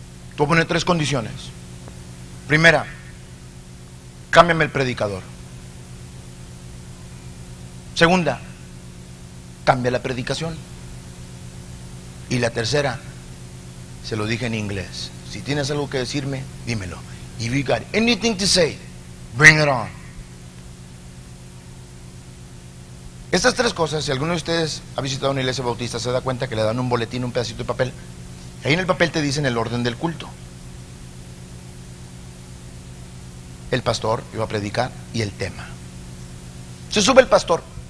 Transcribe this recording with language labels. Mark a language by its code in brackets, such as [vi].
[es] Te voy a poner tres condiciones. Primera, cámbiame el predicador. Segunda, cambia la predicación. Y la tercera, se lo dije en inglés: si tienes algo que decirme, dímelo. [en] If you got anything to say, bring it on. [es] Estas tres cosas, si alguno de ustedes ha visitado una iglesia bautista, se da cuenta que le dan un boletín, un pedacito de papel. Ahí en el papel te dicen el orden del culto. El pastor iba a predicar y el tema. Se sube el pastor.